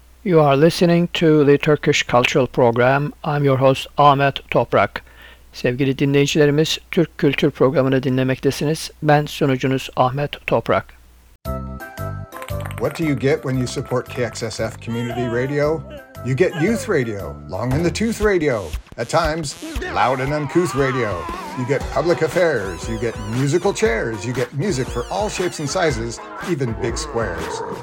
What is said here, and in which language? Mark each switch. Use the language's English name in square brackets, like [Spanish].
[English] You are listening to the Turkish Cultural Program. I'm your host Ahmet Toprak. [Turkish] Sevgili dinleyicilerimiz, Türk Kültür Programı'nı dinlemektesiniz. Ben sunucunuz Ahmet Toprak. [English] What do you get when you support KXSF Community Radio? You get youth radio, long in the tooth radio, at times loud and uncouth radio. You get public affairs, you get musical chairs, you get music for all shapes and sizes, even big squares.